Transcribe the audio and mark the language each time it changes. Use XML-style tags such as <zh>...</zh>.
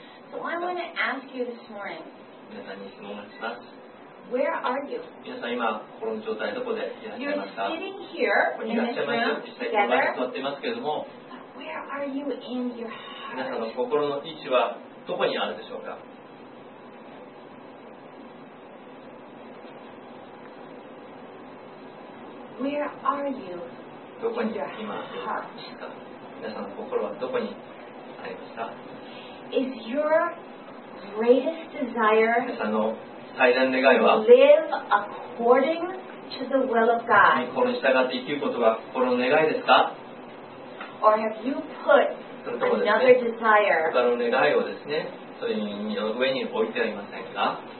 <en>So I want to ask you this morning.</en> <ja>皆さんに質問します。</ja> <en>Where are you?</en> <ja>皆さん今心の状態どこでいらっしゃいますか?</ja> <en>Sitting here in this room together.</en> <ja>座っていますけれども。</ja> <en>Where are you in your heart?</en> <ja>皆さんの心の位置はどこにあるでしょうか?</ja> <en>Where are you?</en> <ja>どこに今ありますか皆さんの心はどこにありますか</ja> <en>Is your greatest desire</en> <ja>皆さんの最大の願いは</ja> <en>Live according to the will of God</en> <ja>御心に従って生きることが心の願いですか</ja> <en>Or have you put another desire</en> <ja>他の願いをですねそれの上に置いてありませんか</ja>